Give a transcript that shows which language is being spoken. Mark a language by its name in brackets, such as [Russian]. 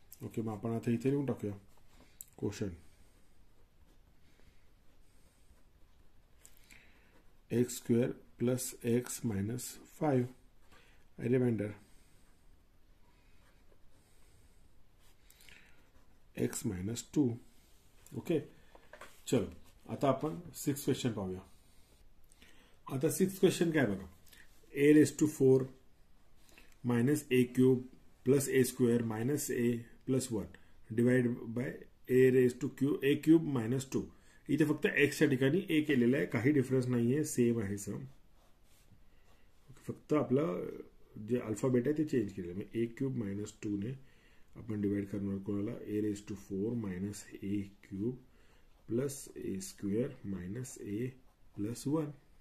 [Marathi] Okay, मग आपण आता इथे लिहून टाकूया question, x square plus x minus five reminder, x minus two. Okay, चलो आता आपण सिक्स क्वेश्चन पाहूया. आता सिक्स क्वेश्चन काय बघा, ए raise to four minus A cube plus A square minus A plus one divide by A raise to Q A cube minus two. इथे फक्त एक्सच्या ठिकाणी ए केलेलं आहे, काही डिफरन्स नाही आहे, सेम आहे सम, फक्त आपलं जे अल्फाबेट आहे ते चेंज केलेलं आहे. ए क्यूब मायनस टूने [Hindi] अपन डिवाइड करने को वाला ए raise to four minus A cube plus A square minus A plus one.